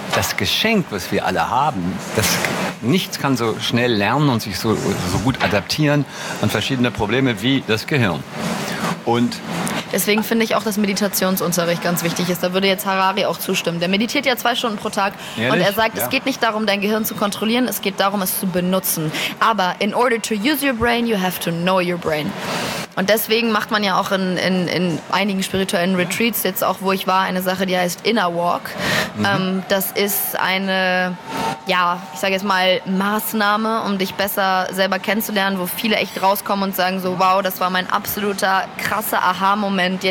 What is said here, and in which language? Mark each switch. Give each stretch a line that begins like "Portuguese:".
German: Das Geschenk, was wir alle haben, das, nichts kann so schnell lernen und sich so gut adaptieren an verschiedene Probleme wie das Gehirn. Und deswegen finde ich auch, dass Meditationsunterricht ganz wichtig ist. Da würde jetzt Harari auch zustimmen. Der meditiert ja 2 Stunden pro Tag. Ehrlich? Und er sagt, es geht nicht darum, dein Gehirn zu kontrollieren, es geht darum, es zu benutzen. Aber
English: in order to use your brain, you have to know your brain.
German: Und deswegen macht man ja auch in einigen spirituellen Retreats, jetzt auch, wo ich war, eine Sache, die heißt Inner Walk. Das ist eine, ich sage jetzt mal, Maßnahme, um dich besser selber kennenzulernen, wo viele echt rauskommen und sagen so, wow, das war mein absoluter krasser Aha-Moment.